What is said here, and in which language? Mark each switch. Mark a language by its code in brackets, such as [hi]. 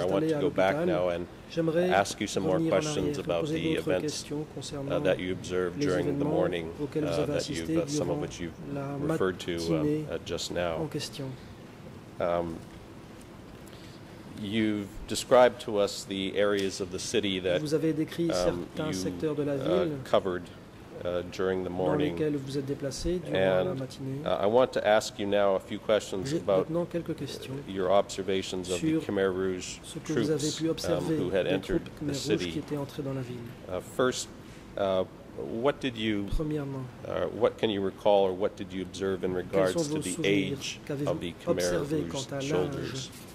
[en] I want to go back now and ask you some more questions about the events that you observed during the morning, some of which you've referred to just now. You've described to us the areas of the city that [fr] vous avez décrit certains secteurs de la ville [en] covered during the morning. [fr] Dans lesquels vous êtes déplacé durant la matinée. [en] I want to ask you now a few questions about [fr] quelques questions [en] your observations of the Khmer Rouge troops who had entered the city. [fr] Qui étaient entrés dans la ville. [en] What did you, [fr] premièrement, [en] what can you recall or what did you observe in regards to the age of the Khmer Rouge soldiers?